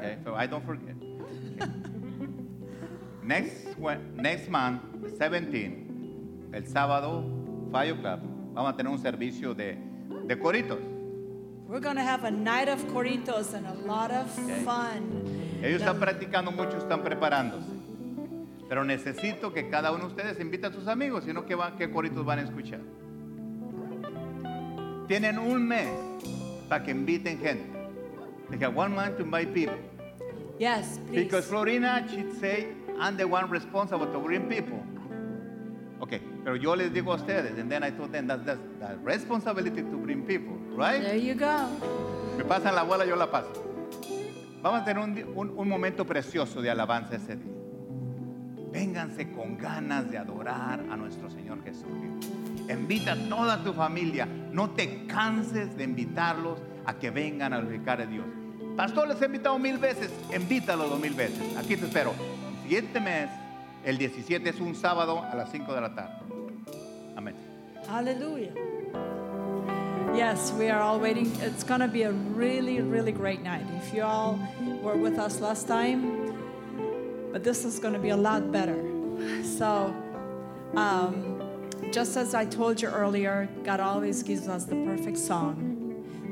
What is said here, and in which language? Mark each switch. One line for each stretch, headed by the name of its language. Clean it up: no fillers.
English: Okay, so I don't forget. Okay. next month, the 17th, el sábado, Fire Club, vamos a tener un servicio de coritos. We're going to have a night of coritos and a lot of fun.
Spanish: Ellos están practicando mucho, están preparándose. Pero necesito que cada uno de ustedes invite a sus amigos, sino que qué coritos van a escuchar. Tienen un mes para que inviten gente. They have 1 month to invite people.
English: Yes, please. Because Florina, she'd say, I'm the one responsible to bring people. Okay, pero yo les digo a ustedes, and then I told them that's the responsibility to bring people, right? There you go.
Spanish: Me pasan la bola, yo la paso. Vamos a tener un momento precioso de alabanza ese día. Vénganse con ganas de adorar a nuestro Señor Jesucristo. Invita a toda tu familia. No te canses de invitarlos a que vengan a glorificar a Dios. Pastor, les he invitado 1,000 veces. Invítalos 2,000 veces. Aquí te espero. El siguiente mes, el 17, es un sábado a las 5 de la tarde. Amén.
English: Aleluya. Yes, we are all waiting. It's going to be a really, really great night. If you all were with us last time, but this is going to be a lot better. So, just as I told you earlier, God always gives us the perfect song.